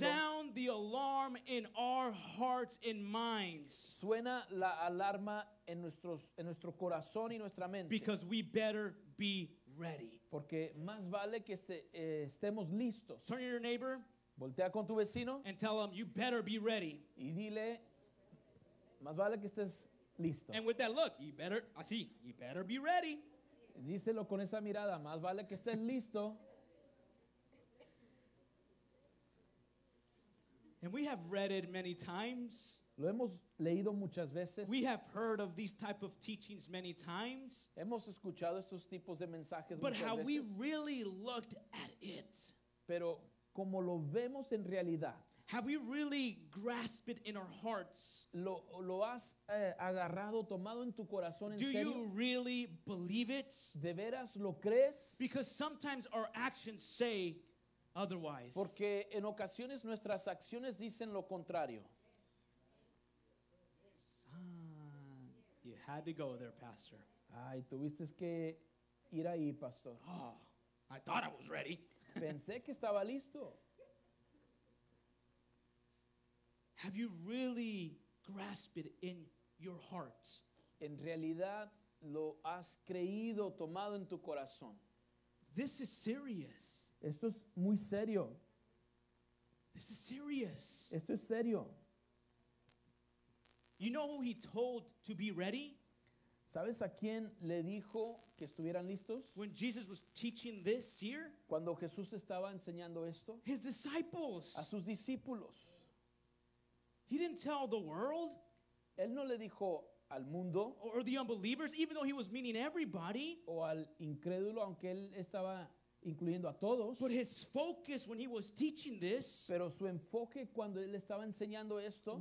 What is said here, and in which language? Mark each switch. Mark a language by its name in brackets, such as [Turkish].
[English] Sound the alarm in our hearts and minds. [Spanish] Suena la alarma en nuestro corazón y nuestra mente. [English] Because we better be ready. [Spanish] Porque más vale que estemos listos. [English] Turn to your neighbor. [Spanish] Voltea con tu vecino. [English] And tell him you better be ready. [Spanish] Y dile. Más vale que estés listo. [English] And with that look, you better be ready. [Spanish] Díselo con esa mirada, más vale que estés listo. [English] And we have read it many times. [Spanish] Lo hemos leído muchas veces. [English] We have heard of these type of teachings many times. [Spanish] Hemos escuchado estos tipos de mensajes [English] but [Spanish] muchas veces. [English] But how we really looked at it. [Spanish] Pero como lo vemos en realidad. [English] Have we really grasped it in our hearts? [Spanish] Lo has agarrado, tomado en tu corazón en serio? [English] Do you really believe it? [Spanish] ¿De veras lo crees? [English] Because sometimes our actions say otherwise. [Spanish] Porque en ocasiones nuestras acciones dicen lo contrario. [English] You had to go there, Pastor. [Spanish] Ay, tuviste que ir ahí, Pastor. [English] Oh, I thought I was ready. [Spanish] Pensé que estaba listo. [English] Have you really grasped it in your heart? [Spanish] En realidad, lo has creído, tomado en tu corazón. [English] This is serious. [Spanish] Esto es muy serio. [English] This is serious. [Spanish] Esto es serio. [English] You know who he told to be ready? [Spanish] ¿Sabes a quién le dijo que estuvieran listos? [English] When Jesus was teaching this here? [Spanish] Cuando Jesús estaba enseñando esto. [English] His disciples. [Spanish] A sus discípulos. [English] He didn't tell the world. [Spanish] Él no le dijo al mundo. [English] Or the unbelievers, even though he was meaning everybody. [Spanish] O al incrédulo, aunque él estaba incluyendo a todos. [English] But his focus when he was teaching this. [Spanish] Pero su enfoque cuando él estaba enseñando esto.